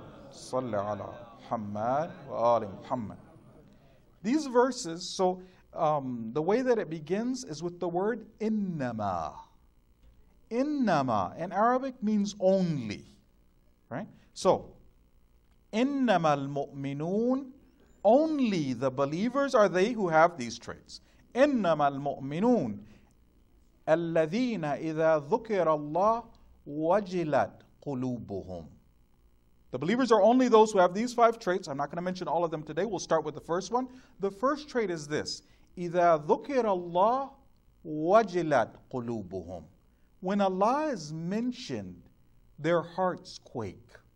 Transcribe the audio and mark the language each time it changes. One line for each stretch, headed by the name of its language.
Arabic: Salli ala Muhammad wa ali Muhammad.
English: These verses, so the way that it begins is with the word innama. Innama in Arabic means only, right? So,
Arabic: innama al-mu'minun,
English: only the believers are they who have these traits.
Arabic: Innama al-mu'minun, الَّذِينَ إِذَا ذُكِرَ اللَّهُ وَجِلَتْ قُلُوبُهُمْ.
English: The believers are only those who have these five traits. I'm not going to mention all of them today. We'll start with the first one. The first trait is this.
Arabic: إِذَا ذُكِرَ اللَّهُ وَجِلَتْ قُلُوبُهُمْ.
English: When Allah is mentioned, their hearts quake.